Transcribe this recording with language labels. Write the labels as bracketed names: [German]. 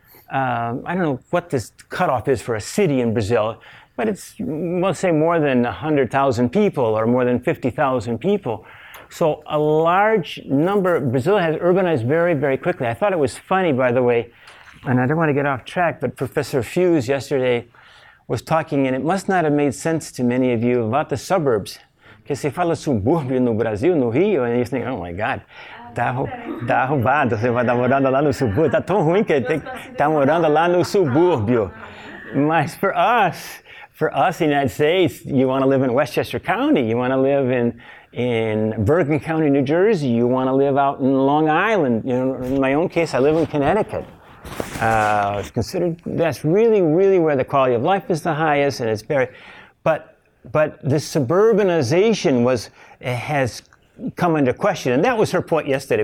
[English] I don't know what this cutoff is for a city in Brazil, but it's, we'll say, more than 100,000 people or more than 50,000 people. So a large number, Brazil has urbanized very, very quickly. I thought it was funny, by the way, and I don't want to get off track, but Professor Fuse yesterday was talking, and it must not have made sense to many of you, about the suburbs. [Portuguese] Que se fala subúrbio no Brasil, no Rio, [English] and you think, oh my God. [Portuguese] Tá roubado, você vai dar morando lá no subúrbio. Tá tão ruim que tem que estar morando lá no subúrbio. Mas [English] for us in the United States, you want to live in Westchester County, you want to live in Bergen County, New Jersey, you want to live out in Long Island. You know, in my own case, I live in Connecticut. It's considered, that's really, really where the quality of life is the highest, and it's very, but the suburbanization has come under question, and that was her point yesterday.